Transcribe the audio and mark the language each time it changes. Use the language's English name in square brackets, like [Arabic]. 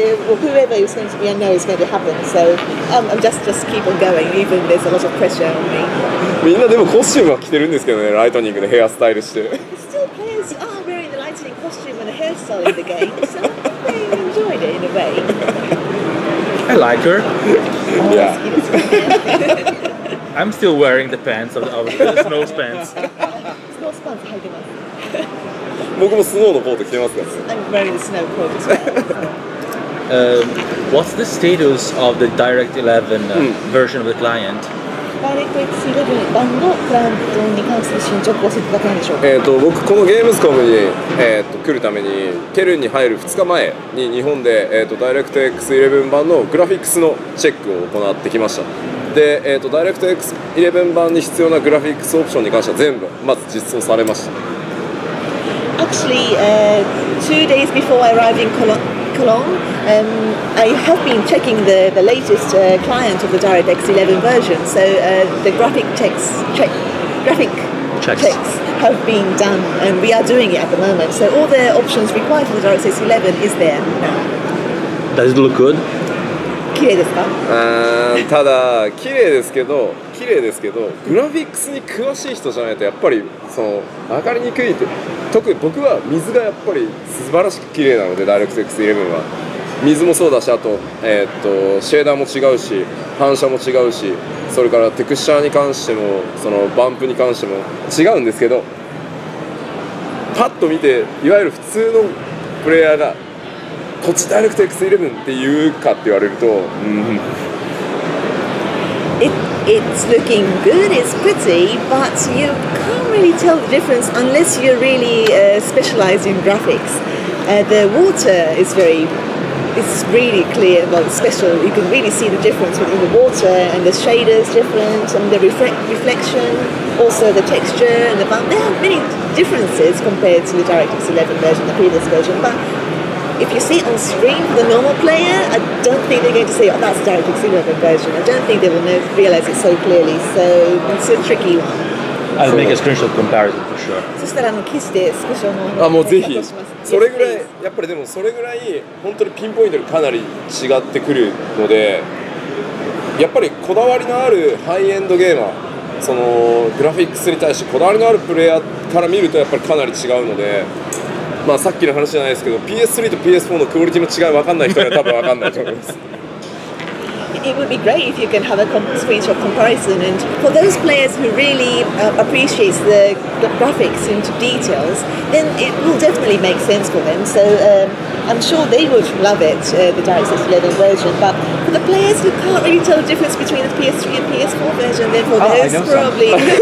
[English] Whoever is going to be, I know it's going to happen. So I'm just keep on going, even there's a lot of pressure on me. [Japanese] みんなでもコスチュームは着てるんですけどね、ライトニングのヘアスタイルして。 [English] Costume and a hairstyle in the game, so they enjoyed it in a way. I like her. Oh, yeah. I'm still wearing the pants of the snow pants. Snow pants, I get it. [Japanese] 僕もスノーのコート着てますから [English] ね。I'm wearing the snow coat as well. What's the status of the Direct 11 version of the client? [Japanese] Direct 11版のクライアントに関する進捗を教えていただけないでしょうか。僕このGamescomに来るためにケルンに入る2日前に日本で Direct X 11版のグラフィックスのチェックを行ってきました。で、Direct X 11版に必要なグラフィックスオプションに関しては全部まず実装されました。 [English] Actually, 2 days before I arrived in Cologne, I have been checking the latest client of the DirectX 11 version. So the graphic checks have been done, and we are doing it at the moment. So all the options required for the DirectX 11 is there now. Does it look good? [Japanese] 綺麗ですか？ただ綺麗ですけど。綺麗ですけど、グラフィックスに詳しい人じゃないとやっぱりその分かりにくいって特に僕は水がやっぱり素晴らしく綺麗なので DirectX11 は水もそうだしあとシェーダーも違うし反射も違うしそれからテクスチャーに関してもそのバンプに関しても違うんですけどパッと見ていわゆる普通のプレイヤーがこっち DirectX11 って言うかって言われると [English] It's looking good, it's pretty, but you can't really tell the difference unless you're really specialized in graphics. The water is it's really clear, well, special. You can really see the difference between the water and the shaders different, and the reflection, also the texture and the bump. There are many differences compared to the DirectX 11 version, the previous version, but if you see it on screen, the normal player, I don't think they're going to say, oh, that's DirectX 11 version. I don't think they will realize it so clearly. So it's a tricky one. I'll make a screenshot comparison for sure. [Japanese] そしたら、キスで少しは もうぜひ。それぐらい、やっぱりでもそれぐらい、本当にピンポイントでかなり違ってくるので、やっぱりこだわりのあるハイエンドゲーマー、そのグラフィックスに対してこだわりのあるプレイヤーから見るとやっぱりかなり違うので、まあ、さっきの話じゃないですけど、PS3 と PS4 のクオリティの違い分かんない人には多分分かんないと思います。 [English] It would be great if you can have a screenshot comparison. And for those players who really appreciate the graphics into details, then it will definitely make sense for them. So I'm sure they would love it, the DirectX 11 version. But for the players who can't really tell the difference between the PS3 and PS4 version, then for those probably...